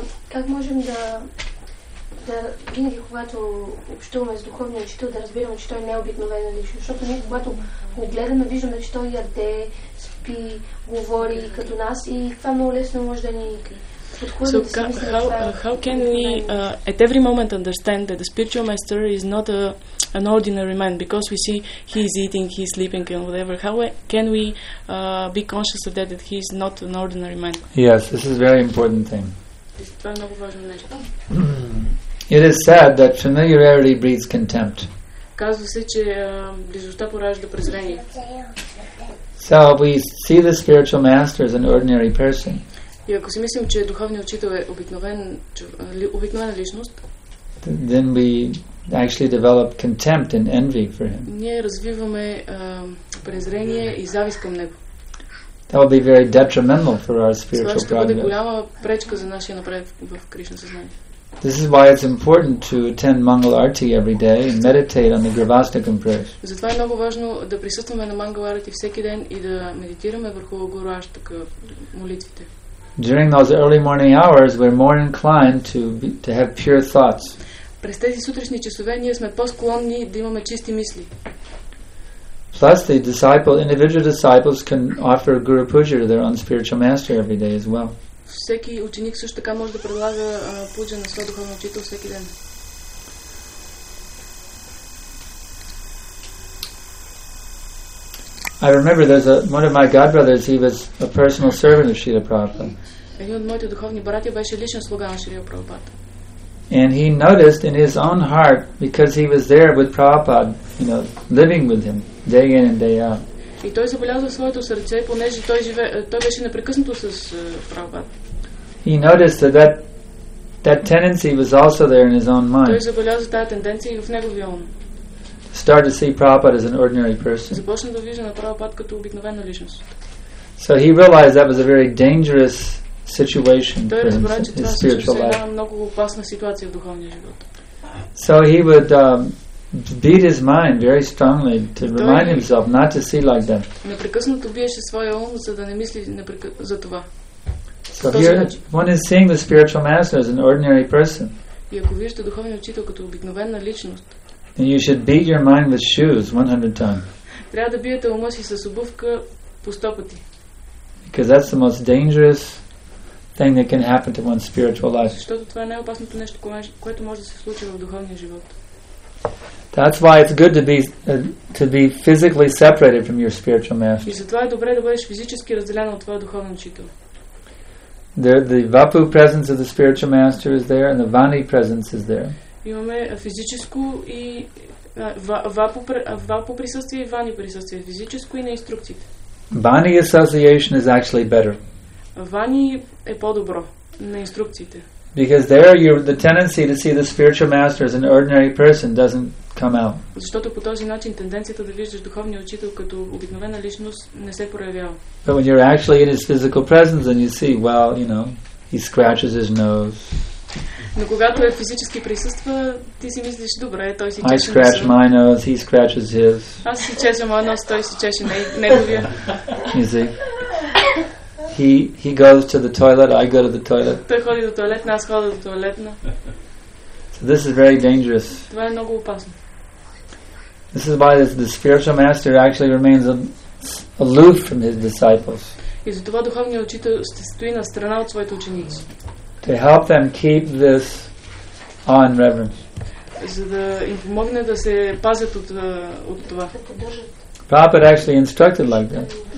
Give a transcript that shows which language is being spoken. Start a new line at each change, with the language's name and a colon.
Bulgarian: Как можем да винаги, когато общуваме с духовния учител, да разбираме, че той не е обикновена личност. Защото ние, когато го гледаме, виждаме, че той яде, спи, говори като нас и това много лесно може да ни подходи.
English: So, how can we at every moment understand that the spiritual master is not an ordinary man, because we see he is eating, he is sleeping and whatever. How can we be conscious of that he is not an ordinary man? Yes, this is a very important thing.
Bulgarian: Това е много важно нещо.
English: It is said that familiarity breeds contempt.
Bulgarian: Казва се, че близостта поражда презрение.
English: So we see the spiritual master as an ordinary person.
Bulgarian: И ако си мислим, че духовният учител е обикновена личност,
English: then we actually develop contempt and envy for him.
Bulgarian: Ние развиваме презрение и завист към него.
English: That will be very detrimental for our spiritual progress.
Bulgarian: Това ще бъде голяма пречка за нашия напредък в Кришна съзнание.
English: This is why it's important to attend Mangal Arati every day and meditate on the Gravastakam prayers.
Bulgarian: Затова е много важно да присъстваме на Mangal Arati всеки ден и да медитираме върху Гуруаштака молитвите.
English: During those early morning hours, we're more inclined to have pure thoughts.
Bulgarian: През тези сутрешни часове ние сме по-склонни да имаме чисти мисли.
English: Plus, the individual disciples can offer Guru Puja to their own spiritual master every day as well.
Bulgarian: Всеки ученик също така може да предлага пуджа на своя духовен учител всеки ден.
English: I remember there's one of my godbrothers, he was a personal servant of Srila Prabhupada.
Bulgarian: Един от моите духовни братя беше личен слуга на Шрила Прабхупада.
English: And he noticed in his own heart, because he was there with Prabhupada, you know, living with him day in and day out.
Bulgarian: И той забелязва своето сърце, понеже той беше непрекъснато с Прабхупада.
English: He noticed that tendency was also there in his own mind.
Bulgarian: Той забелязва тази тенденция и в неговия ум.
English: Started to see Prabhupada as an ordinary person.
Bulgarian: Започна да вижда на Прабхупада като обикновена личност.
English: So he realized that was a very dangerous situation.
Bulgarian: Той разбра, че това всъщност е една много опасна ситуация в духовния живот.
English: So he would beat his mind very strongly to remind himself not to see like that.
Bulgarian: Непрекъснато биеше своя ум, за да не мисли за това.
English: So here, one is seeing the spiritual master as an ordinary person.
Bulgarian: И ако виждате духовния учител като обикновена личност,
English: then you should beat your mind with shoes 100 times.
Bulgarian: Трябва да биете ума си с обувка по 100 пъти.
English: Because that's the most dangerous thing that can happen to one's spiritual life.
Bulgarian: Защото това е най-опасното нещо, което може да се случи в духовния живот.
English: That's why it's good to be physically separated from your spiritual master.
Bulgarian: И затова е добре да бъдеш физически разделен от твоя духовен учител.
English: The Vapu presence of the spiritual master is there and the Vani presence is there.
Bulgarian: Имаме физическо и Vapu присъствие и Vani присъствие, физическо и на инструкциите.
English: Vani association is actually better.
Bulgarian: Vani е по-добро на инструкциите.
English: Because there the tendency to see the spiritual master as an ordinary person doesn't come out.
Bulgarian: Защото по този начин тенденцията да виждаш духовния учител като обикновена личност не се проявява.
English: But when you're actually in his physical presence, then you see, well, you know, he scratches his nose.
Bulgarian: Но когато е физически присъства, ти си мислиш, добре, той си чеше.
English: I scratch my nose, he scratches his.
Bulgarian: Аз си чеша моя нос, той си чеше неговия.
English: You see? He goes to the toilet, I go to the toilet.
Bulgarian: Той ходи до тоалетна, аз ходя до тоалетна.
English: So this is very dangerous.
Bulgarian: Това е много опасно.
English: This is why the spiritual master actually remains aloof from his disciples.
Bulgarian: И затова духовният учител ще стои на страна от своите ученици.
English: To help them keep this awe and reverence.
Bulgarian: за да им помогне да се пазят от, от това.
English: Prabhupada actually instructed like that.